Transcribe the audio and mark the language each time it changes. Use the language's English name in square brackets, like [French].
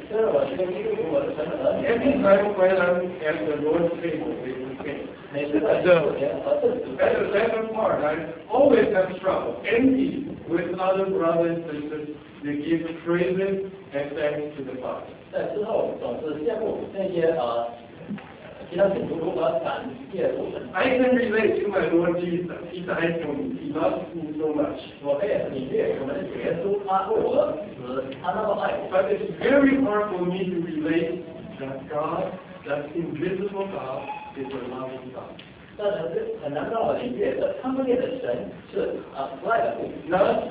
[English] Every time when I'm at the Lord's table, they would say, at the second part, I always have trouble, envy with other brothers and sisters they give praise and thanks to the Father. [Chinese] 在之后总是羡慕那些其他信徒如何感谢主神。 [English] I can relate to my Lord Jesus. He died for me. He loves me so much. [Chinese] 我可以领略我们的耶稣，他为我死，他那么爱我。 [English] But it's very hard for me to relate that God, that invisible God, is a loving God. [Chinese] 但是很难让我理解的，他们念的神是不爱的。 [English] Not